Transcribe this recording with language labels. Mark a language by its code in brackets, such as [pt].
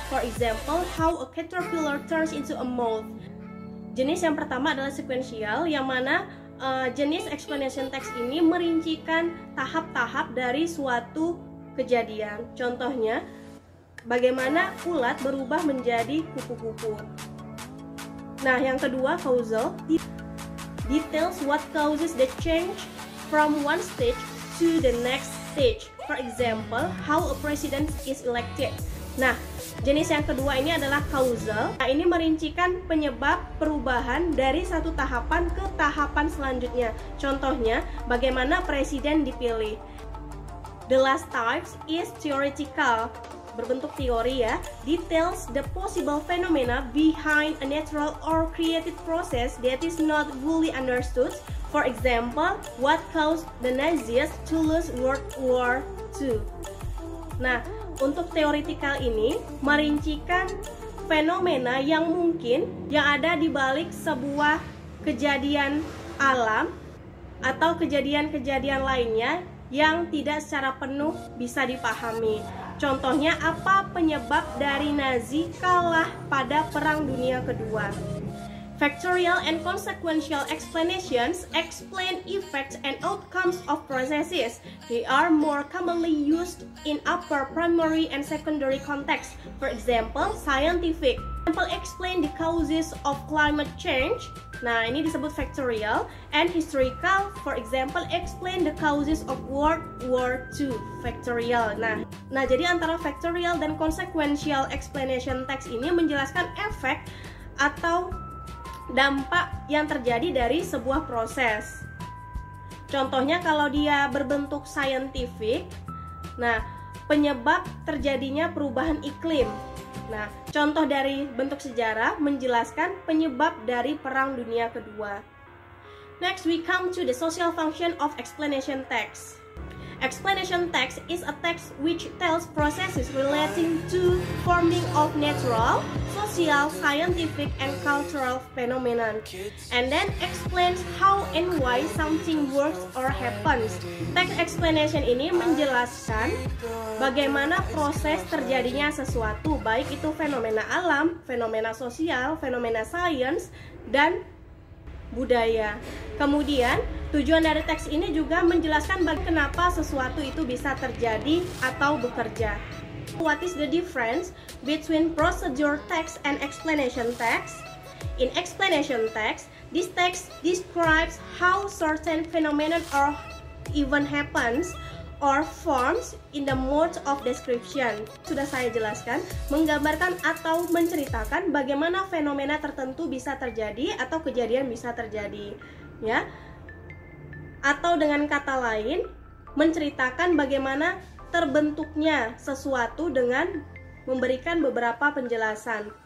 [en] For example, how a caterpillar turns into a moth. [id] Jenis yang pertama adalah sequential, yang mana jenis explanation text ini merincikan tahap-tahap dari suatu kejadian. Contohnya, bagaimana ulat berubah menjadi kupu-kupu. Nah, yang kedua, causal. [en] Details what causes the change from one stage to the next stage. For example, how a president is elected. [id] Nah, jenis yang kedua ini adalah causal. Nah, ini merincikan penyebab perubahan dari satu tahapan ke tahapan selanjutnya. Contohnya, bagaimana presiden dipilih. [en] The last type is theoretical, [id] berbentuk teori ya. [en] Details the possible phenomena behind a natural or created process that is not fully understood. For example, what caused the Nazis to lose World War II? [id] Nah, untuk teoretikal ini merincikan fenomena yang mungkin yang ada di balik sebuah kejadian alam atau kejadian-kejadian lainnya yang tidak secara penuh bisa dipahami. Contohnya, apa penyebab dari Nazi kalah pada Perang Dunia Kedua? [en] Factorial and consequential explanations explain effects and outcomes of processes. They are more commonly used in upper primary and secondary contexts. For example, scientific. Example, explain the causes of climate change. [id] Nah, ini disebut [en] factorial. And historical, for example, explain the causes of World War II. Factorial. [id] Nah, jadi antara factorial dan consequential explanation text ini menjelaskan efek atau dampak yang terjadi dari sebuah proses. Contohnya, kalau dia berbentuk scientific, nah, penyebab terjadinya perubahan iklim. Nah, contoh dari bentuk sejarah menjelaskan penyebab dari Perang Dunia Kedua. [en] Next, we come to the social function of explanation text. Explanation text is a text which tells processes relating to forming of natural, social, scientific, and cultural phenomena, and then explains how and why something works or happens. [id] Text explanation ini menjelaskan bagaimana proses terjadinya sesuatu, baik itu fenomena alam, fenomena sosial, fenomena science, dan budaya. Kemudian, tujuan dari teks ini juga menjelaskan kenapa sesuatu itu bisa terjadi atau bekerja. [en] What is the difference between procedure text and explanation text? In explanation text, This text describes how certain phenomena or even happens or forms in the mode of description. [id] Sudah saya jelaskan, menggambarkan atau menceritakan bagaimana fenomena tertentu bisa terjadi atau kejadian bisa terjadi, ya. Atau dengan kata lain, menceritakan bagaimana terbentuknya sesuatu dengan memberikan beberapa penjelasan.